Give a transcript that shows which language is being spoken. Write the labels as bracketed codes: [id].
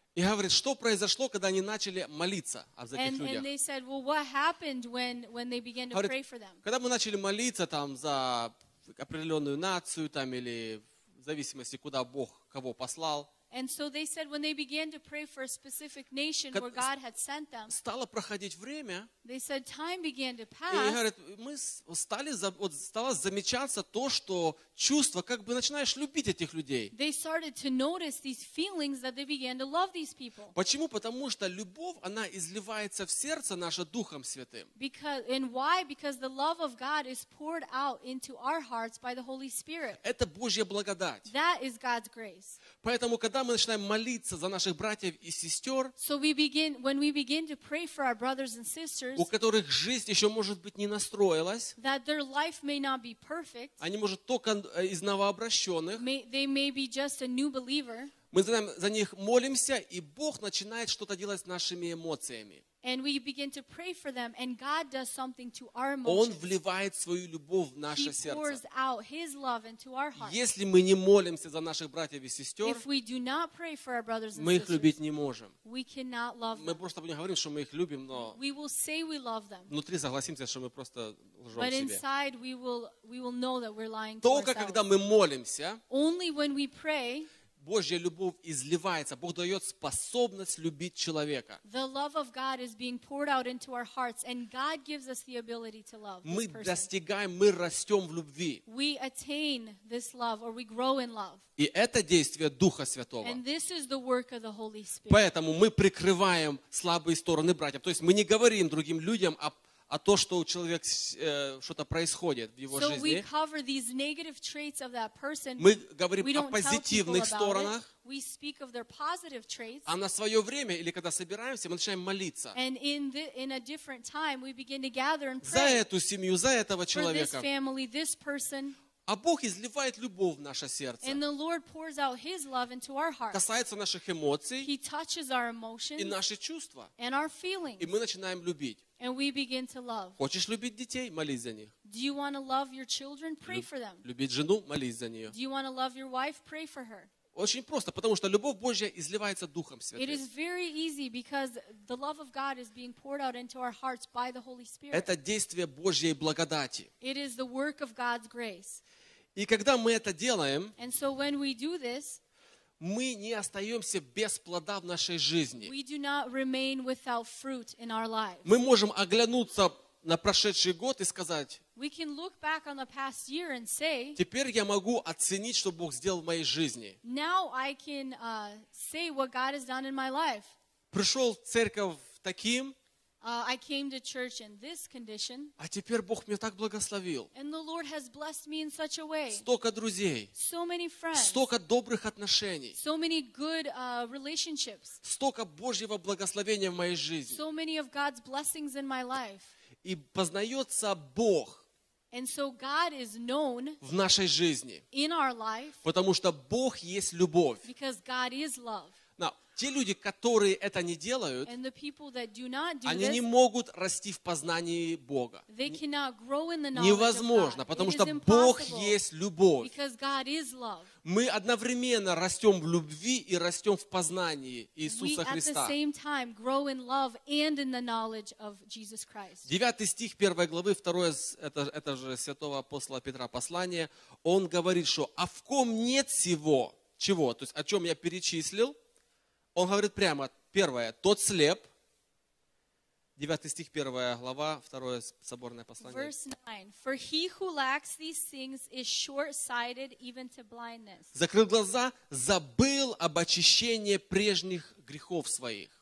[ru] И говорит, что произошло, когда они начали молиться об этих [en] and, [ru] людях? [en] And they said, well, what happened when they began to [ru] говорит, [en] pray for them? [ru] Когда мы начали молиться там за определенную нацию там или в зависимости, куда Бог кого послал? [en] And so they said, when they began to pray for a specific nation where God had sent them, [ru] стало проходить время, [en] they said time began to pass. [ru] И говорит, мы стали вот стало замечаться то, что чувства, как бы начинаешь любить этих людей. [en] They started to notice these feelings that they began to love these people. [ru] Почему? Потому что любовь, она изливается в сердце наше Духом Святым. [en] Because and why? Because the love of God is poured out into our hearts by the Holy Spirit. [ru] Это Божья благодать. [en] That is God's grace. [ru] Поэтому когда мы начинаем молиться за наших братьев и сестер, [en] so we begin, when we begin to pray for our brothers and sisters, [ru] у которых жизнь еще может быть не настроилась, [en] that their life may not be perfect, [ru] они может только из новообращенных, [en] may, they may be just a new believer, [ru] мы знаем, за них молимся, и Бог начинает что-то делать с нашими эмоциями. [en] And we begin to pray for them, and God does something to our emotions. [ru] Он вливает свою любовь в наше сердце. [en] He pours out His love into our hearts. [ru] Если мы не молимся за наших братьев и сестер, [en] if we do not pray for our brothers and [ru] мы их любить не можем. [en] We cannot love them. [ru] Мы просто не говорим, что мы их любим, но [en] we will say we love them. [ru] Внутри согласимся, что мы просто лжем себе. [en] But inside we will know that we're lying [ru] только [en] to ourselves. [ru] Только когда мы молимся, [en] only when we pray, [ru] Божья любовь изливается, Бог дает способность любить человека. [en] The love of God is being poured out into our hearts, and God gives us the ability to love this person. [ru] Мы достигаем, мы растем в любви. [en] We attain this love, or we grow in love. [ru] И это действие Духа Святого. [en] And this is the work of the Holy Spirit. [ru] Поэтому мы прикрываем слабые стороны братьев. То есть мы не говорим другим людям о том, что у человека что-то происходит в его [en] so [ru] жизни. [en] We cover these negative traits of that person. [ru] Мы говорим о позитивных сторонах. [en] We speak of their positive traits. [ru] А на свое время или когда собираемся, мы начинаем молиться. [en] And in a different time, we begin to gather and pray. [ru] За эту семью, за этого человека. [en] For this family, this person. [ru] А Бог изливает любовь в наше сердце. [en] And the Lord pours out His love into our hearts. [ru] Касается наших эмоций. [en] He touches our emotions. [ru] И наши чувства. [en] And our feelings. [ru] И мы начинаем любить. [en] And we begin to love. [ru] Хочешь любить детей? Молись за них. [en] Do you want to love your children? Pray for them. [ru] Любить жену? Молись за нее. [en] Do you want to love your wife? Pray for her. [ru] Очень просто, потому что любовь Божья изливается Духом Святым. [en] It is very easy because the love of God is being poured out into our hearts by the Holy Spirit. [ru] Это действие Божьей благодати. [en] It is the work of God's grace. [ru] И когда мы это делаем, [en] and so when we do this, [ru] мы не остаемся без плода в нашей жизни. [en] We do not remain without fruit in our lives. [ru] Мы можем оглянуться на прошедший год и сказать, [en] we can look back on the past year and say, [ru] теперь я могу оценить, что Бог сделал в моей жизни. [en] Now I can say what God has done in my life. [ru] Пришел в церковь таким, [en] I came to church in this condition. [ru] А теперь Бог меня так благословил. [en] And the Lord has blessed me in such a way. [ru] Столько друзей. [en] So many friends. [ru] Столько добрых отношений. [en] So many good relationships. [ru] Столько Божьего благословения в моей жизни. [en] So many of God's blessings in my life. [ru] И познается Бог. [en] And so God is known [ru] в нашей жизни. [en] In our life. [ru] Потому что Бог есть любовь. Because God is love. Те люди, которые это не делают, они не могут расти в познании Бога. Невозможно, потому что Бог есть любовь. Мы одновременно растем в любви и растем в познании Иисуса Христа. [en] We at the same time grow in love and in the knowledge of Jesus Christ. [ru] 9 стих 1 главы 2 это же святого апостола Петра послание. Он говорит, что а в ком нет сего чего, то есть о чем я перечислил, он говорит прямо, первое, тот слеп. 9 стих 1 глава 2 соборное послание. [en] Verse 9. For he who lacks these things is short-sighted even to blindness. [ru] Закрыл глаза, забыл об очищении прежних грехов своих.